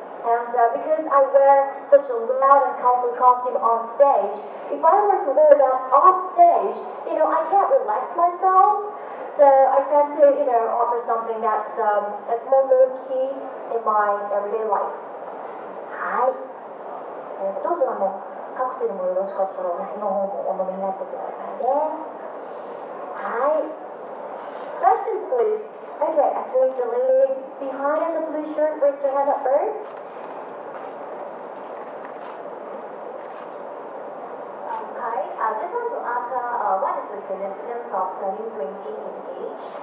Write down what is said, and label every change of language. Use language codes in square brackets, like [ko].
[en] And because I wear such a loud and colorful costume on stage, if I were to wear that off stage, you know, I can't relax myself. So I tend to, you know, offer something that's more low key in my everyday life. Hi. [ja] どうぞあのカクテルもよろしかったら私の方もお飲みになってくださいね。はい。 [en] Questions, please. Okay, I think the lady behind the blue shirt raised her hand up first. カイ、just want to ask her, what is the significance of turning 20 in age?